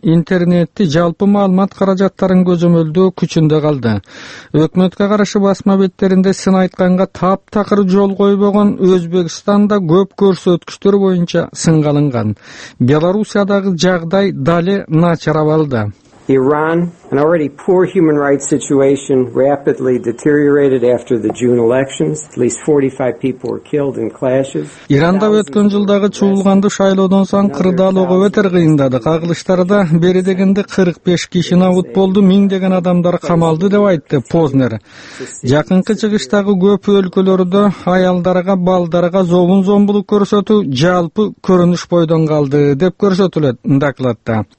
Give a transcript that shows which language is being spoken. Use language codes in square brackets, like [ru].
[ky] Интернетти жалпы маалымат каражаттарын көзөмөлдөө күчүндө калды. Өкмөткө каршы басма беттеринде сын айтканга таптакыр жол койбогон Өзбекстанда көп көрсөткүчтөр боюнча сынга алынган. Белоруссиядагы жагдай дале начар абалда. [en] Iran, an already poor human rights situation, rapidly deteriorated after the June elections. At least 45 people were killed in clashes. [ky] Иранда өткөн жылдагы чуулгандуу шайлоодон соң кырдаал өтөр кыйындады. Кагылыштарда бери дегенде 45 киши набыт болду, миңдеген адамдар камалды, деп айтты Познер. Жакынкы чыгыштагы көп өлкөлөрдө аялдарга, балдарга зобун-зомбулук көрсөтүү жалпы көрүнүш бойдон калды, деп көрсөтүлөт докладта.